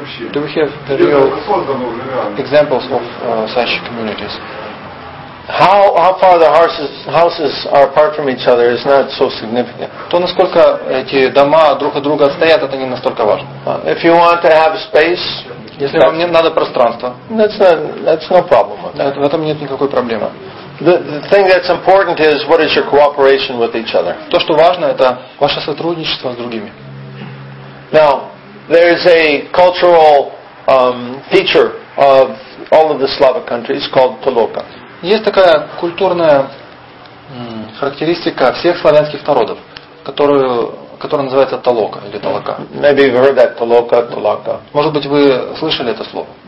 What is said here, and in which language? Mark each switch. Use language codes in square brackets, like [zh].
[en] Do we have the real examples of such communities? How far the houses are apart from each other is not so significant. [ru] То, насколько эти дома друг от друга стоят, это не настолько важно. [en] If you want to have space, [ru] если вам надо пространство, [en] that's no problem. [ru] В этом нет никакой проблемы. [en] The thing that's important is what is your cooperation with each other. [ru] То, что важно, это ваше сотрудничество с другими. [en] Now, there is a cultural feature of all of the Slavic countries called toloka. [ru] Есть такая культурная характеристика всех славянских народов, которая называется толока или толока. [en] Maybe you've heard that толока, толока. [ru] Может быть, вы слышали это слово?